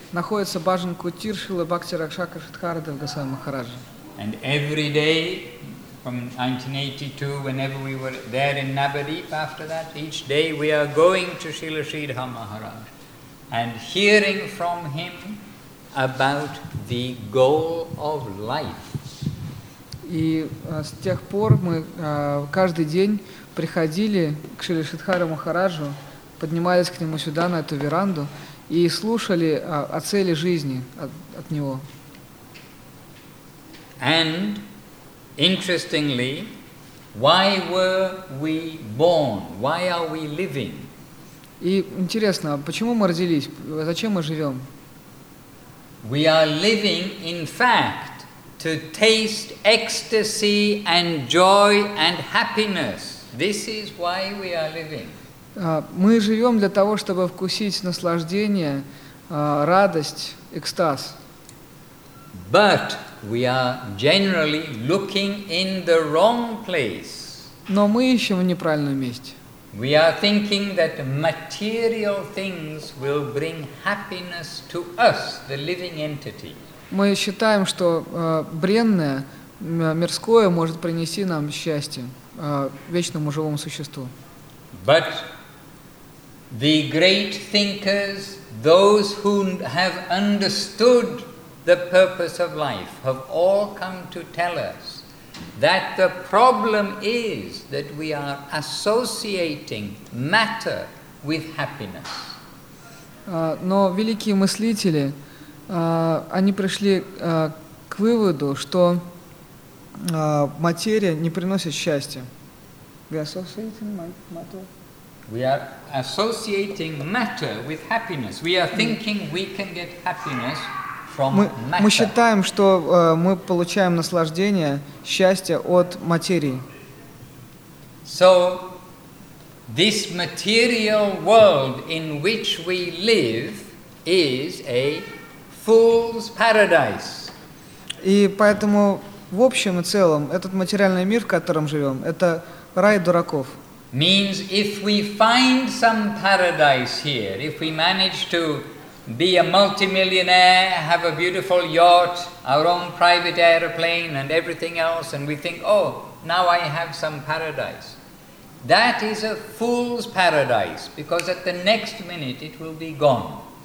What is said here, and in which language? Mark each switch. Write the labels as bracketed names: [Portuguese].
[Russian] Находится бхаджан кутир Шрила Бхакти Ракшака Шридхарада Госвами Махараджа. [English] And every day from 1982, whenever we were there in Navadvip, after that, each day we are going to Srila Sridhar Maharaj and hearing from him about the goal of life. [Russian] И с тех пор мы каждый день приходили к Шриле Шридхаре Махараджу, поднимались к нему сюда, на эту веранду, и слушали о цели жизни от него. [English] And interestingly, why were we born? Why are we living? [Russian] И интересно, почему мы родились? Зачем мы живем? [English] We are living, in fact, to taste ecstasy and joy and happiness. This is why we are living. [Russian] Мы живем для того, чтобы вкусить наслаждение, радость, экстаз. [English] But we are generally looking in the wrong place. [Russian] Но мы ищем в неправильном месте. [English] We are thinking that material things will bring happiness to us, the living entity. [Russian] Мы считаем, что бренное, мирское может принести нам счастье вечному живому существу. [English] But the great thinkers, those who have understood the purpose of life, have all come to tell us that the problem is that we are associating matter with happiness. [Russian] Но великие мыслители, они пришли к выводу, что материя не приносит счастья. [English] We are associating matter. We are associating matter with happiness. We are thinking we can get happiness from matter. [Russian] Мы считаем, что мы получаем наслаждение, счастье от материи. [English] So this material world in which we live is a fool's paradise. [Russian] И поэтому в общем и целом этот материальный мир, в котором живем, это рай дураков. [English] Means if we find some paradise here, if we manage to be a multimillionaire, have a beautiful yacht, our own private aeroplane and everything else, and we think, oh, now I have some paradise. That is a fool's paradise, because at the next minute it will be gone.